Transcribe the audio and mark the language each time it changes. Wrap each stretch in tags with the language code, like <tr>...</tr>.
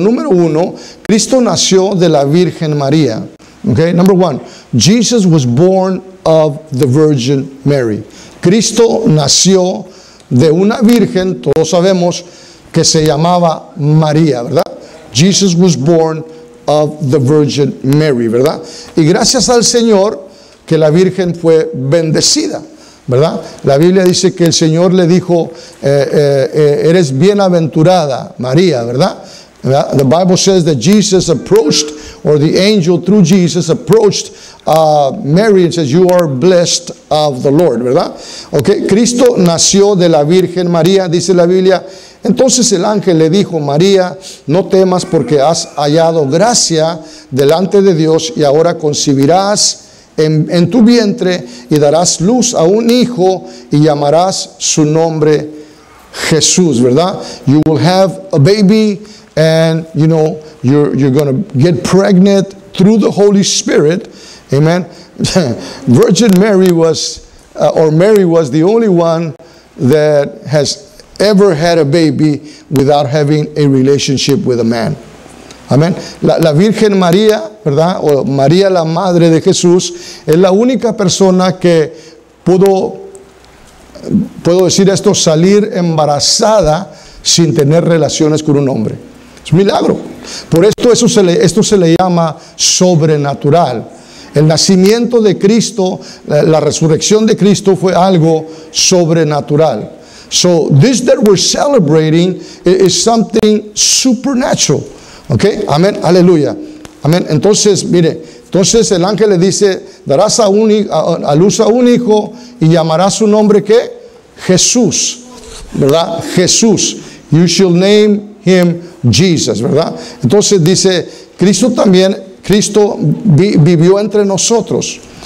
<es>Número uno, Cristo nació de la Virgen María.</es> <en>Okay, number one, Jesus was born of the Virgin Mary.</en> <es>Cristo nació de una virgen, todos sabemos, que se llamaba María, ¿verdad?</es> <en>Jesus was born of the Virgin Mary,</en> <es>¿verdad? Y gracias al Señor que la Virgen fue bendecida, ¿verdad? La Biblia dice que el Señor le dijo, eres bienaventurada, María, ¿verdad?</es> <en>The Bible says that Jesus approached, or the angel through Jesus approached Mary and says, you are blessed of the Lord,</en> <es>¿verdad? Okay, Cristo nació de la Virgen María, dice la Biblia. Entonces el ángel le dijo, María, no temas porque has hallado gracia delante de Dios y ahora concibirás en tu vientre y darás luz a un hijo y llamarás su nombre Jesús, ¿verdad?</es> <en>You will have a baby and, you know, you're going to get pregnant through the Holy Spirit. Amen. Virgin Mary was, or Mary was the only one that has ever had a baby without having a relationship with a man.</en> <es>Amén. La Virgen María, ¿verdad? O María la Madre de Jesús, es la única persona que pudo, puedo decir esto, salir embarazada sin tener relaciones con un hombre. Es un milagro. Por esto, esto se le llama sobrenatural. El nacimiento de Cristo, la resurrección de Cristo fue algo sobrenatural.</es> <en>So, this that we're celebrating is something supernatural.</en> <es>Ok, amén, aleluya, amén. Entonces, mire, entonces el ángel le dice, darás a luz a un hijo y llamarás su nombre, ¿qué?</es> <en>Jesús,</en> <es>¿verdad?</es> <en>Jesús, you shall name him Jesus, ¿verdad?</en> <es>Entonces dice, Cristo también, Cristo vivió entre nosotros.</es>